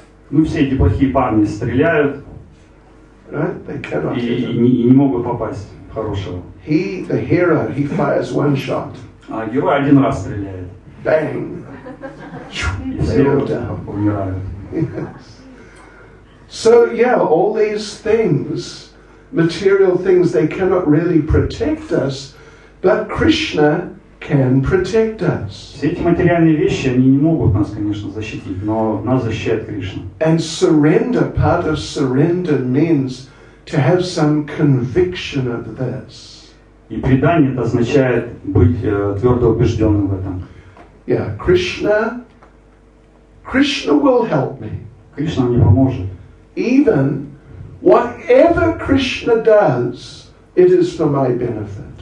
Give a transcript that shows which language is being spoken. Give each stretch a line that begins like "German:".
Russian: Ну все эти плохие парни стреляют,
English: right? They cannot hit him.
Russian: И не могут попасть хорошего.
English: He, the hero, he fires one shot.
Russian: А герой один раз стреляет.
English: Bang.
Russian: Все умирают.
English: Yes. So yeah, all these things, material things, they cannot really protect us, but Krishna can protect us.
Russian: Все эти материальные вещи, они не могут нас, конечно, защитить, но нас защищает Кришна.
English: And surrender, part of surrender means to have some conviction of this.
Russian: И предание это означает быть твердо убежденным в этом.
English: Yeah, Krishna will help me.
Russian: Кришна мне поможет.
English: Even whatever Krishna does, it is for my benefit.